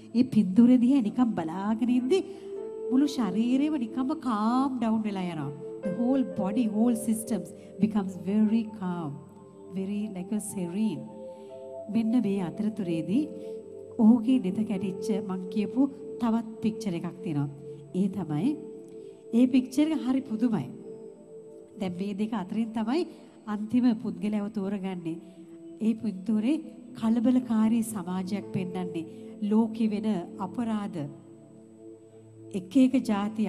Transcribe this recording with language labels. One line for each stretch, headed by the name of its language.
Sinhala: ඒ පින්දුරේ දිහා නිකම් බලාගෙන ඉඳි මුළු ශරීරෙම නිකම්ම
English: calm down
Sinhala: වෙලා යනවා.
English: The whole body, whole systems becomes very calm, very like a serene.
Sinhala: මෙන්න මේ අතරතුරේදී ඔහුගේ නෙත කැටිච්ච මං කියපු තවත් පික්චර් එකක් තියෙනවා. ඒ තමයි ඒ පික්චර් එක හරි පුදුමයි. දැන් මේ දෙක අතරින් තමයි අන්තිම පුද්ගලයව තෝරගන්නේ. ඒ පින්තූරේ කලබලකාරී සමාජයක් පෙන්වන්නේ, ලෝකෙ වෙන අපරාධ එක එක ಜಾති.